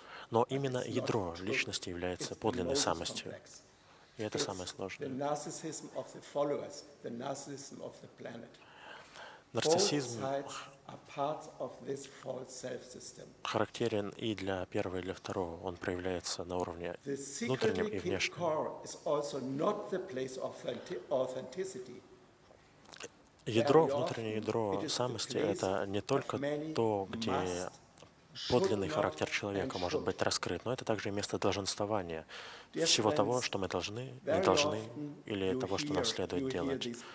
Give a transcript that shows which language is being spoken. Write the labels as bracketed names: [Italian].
[Russian] Но именно ядро личности является подлинной самостью. И это самое сложное. Нарциссизм [English] part of this false self system. [Russian] Характерен и для первого, и для второго. Он проявляется на уровне внутреннем и внешнем. [English] The core is also not the place of authenticity. [Russian] Ядро, внутреннее ядро самости – это не только то, где подлинный характер человека может быть раскрыт, но это также и место долженствования, всего того, что мы должны, не должны, или того, что нам следует делать.